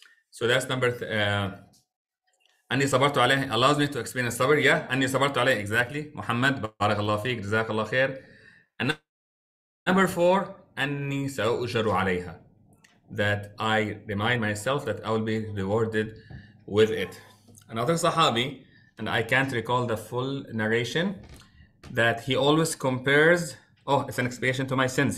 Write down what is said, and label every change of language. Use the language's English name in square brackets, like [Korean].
[English] So that's number [Arabic] أني صبرت عليه [English] allows me to explain the sabr. Yeah, [Arabic] أني صبرت عليه [English] exactly. Muhammad, [Arabic] بارك الله فيك, جزاك الله خير. [English] And number four, [Arabic] أني سأؤجر عليها. [English] That I remind myself that I will be rewarded with it. Another Sahabi, and I can't recall the full narration, that he always compares, oh, it's an expiation to my sins.